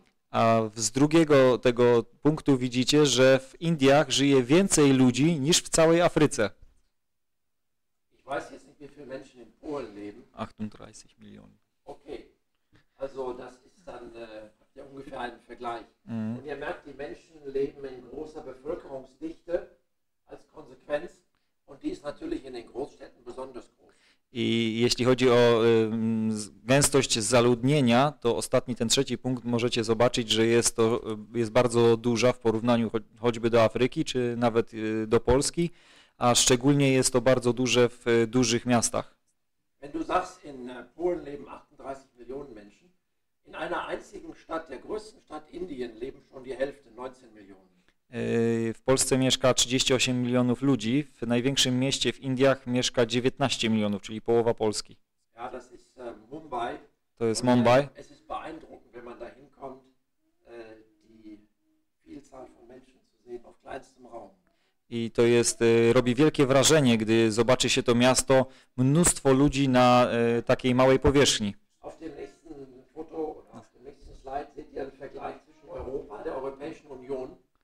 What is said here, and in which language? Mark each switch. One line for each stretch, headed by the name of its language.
Polish: A z drugiego tego punktu widzicie, że w Indiach żyje więcej ludzi niż w całej Afryce.
German: Ich weiß jetzt nicht, wie viele Menschen in Polen leben. 38 Millionen. Okay, also das ist dann ungefähr ein Vergleich. Und ihr merkt, die Menschen leben in großer Bevölkerungsdichte als Konsequenz und die ist natürlich in den Großstädten besonders groß.
Polish: I jeśli chodzi o gęstość zaludnienia, to ostatni, ten trzeci punkt, możecie zobaczyć, że jest to, jest bardzo duża w porównaniu choćby do Afryki, czy nawet do Polski, a szczególnie jest to bardzo duże w dużych miastach.
German: Wenn du sagst, in Polen leben 38 Millionen Menschen, in einer einzigen Stadt, der größten Stadt Indien, leben schon die Hälfte, 19 Millionen.
Polish: W Polsce mieszka 38 milionów ludzi, w największym mieście w Indiach mieszka 19 milionów, czyli połowa Polski.
German: Ja, das ist, Mumbai.
Polish: To jest Mumbai.
German: Es ist beeindruckend, wenn man da hinkommt, die Vielzahl von Menschen zu sehen auf kleinstem Raum.
Polish: I to jest, robi wielkie wrażenie, gdy zobaczy się to miasto, mnóstwo ludzi na takiej małej powierzchni.
German: Auf dem nächsten Foto oder auf dem nächsten Slide seht ihr einen Vergleich zwischen Europa, der Europäischen Union.